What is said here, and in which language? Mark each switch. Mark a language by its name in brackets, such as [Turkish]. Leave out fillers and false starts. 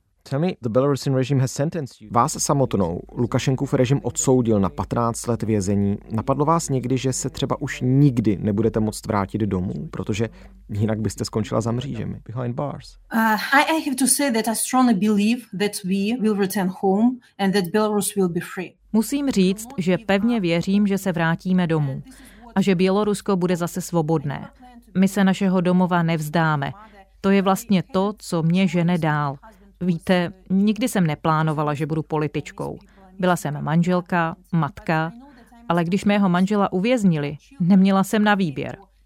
[English] Tell me, the Belarusian regime has sentenced you. [Czech] Vás samotnou Lukašenkův režim odsoudil na 15 let vězení. Napadlo vás někdy, že se třeba už nikdy nebudete moct vrátit domů, protože jinak byste skončila za mřížemi? [English] Behind bars. I have to say that I strongly believe that we will return home and that Belarus will be free. [Czech] Musím říct, že pevně věřím, že se vrátíme domů a že Bělorusko bude zase svobodné. My se našeho domova nevzdáme. To je vlastně to, co mě žene dál. Víte, nikdy jsem neplánovala, že budu političkou. Byla jsem manželka, matka, ale když mého manžela uvěznili, neměla jsem na výběr.